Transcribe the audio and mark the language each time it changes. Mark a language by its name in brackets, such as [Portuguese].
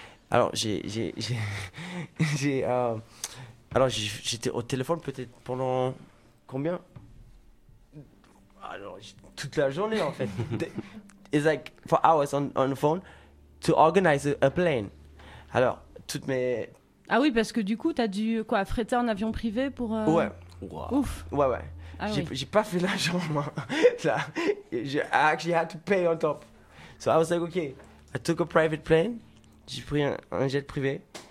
[French] Alors, j'étais au téléphone peut-être pendant combien? Alors, toute la journée, en fait. [English] It's like for hours on the phone to organize a plane. [French] Alors, toutes mes... Ah oui, parce que du coup, t'as dû quoi, fretter un avion privé pour... Ouais. Wow. Ouf. Ouais, ouais. Ah, j'ai pas fait l'argent, moi. Là, [English] I actually had to pay on top. So I was like, okay, I took a private plane. [French] J'ai pris un jet privé.